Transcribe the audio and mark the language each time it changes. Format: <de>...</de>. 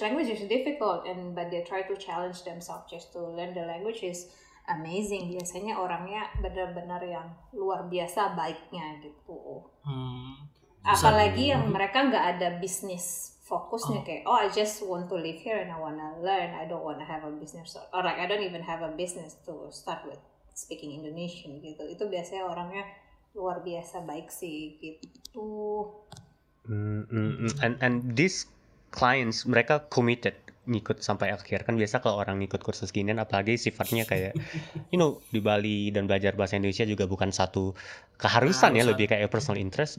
<en>Language is difficult, but they try to challenge themselves just to learn the language is amazing.</en> <id>Biasanya orangnya benar-benar yang luar biasa baiknya gitu. Apalagi yang mereka nggak ada bisnis fokusnya kayak,</id> <en>oh I just want to live here and I want to learn. I don't want to have a business or like I don't even have a business to start with speaking Indonesian gitu.</en> <id>Itu biasanya orangnya luar biasa baik sih gitu.</id> <en>And these clients</en> <id>mereka committed. Ngikut sampai akhir, kan biasa kalau orang ngikut kursus gini, apalagi sifatnya kayak</id> <en>you know,</en> <id>di Bali dan belajar bahasa Indonesia juga bukan satu keharusan ya, lebih kayak personal interest.</id>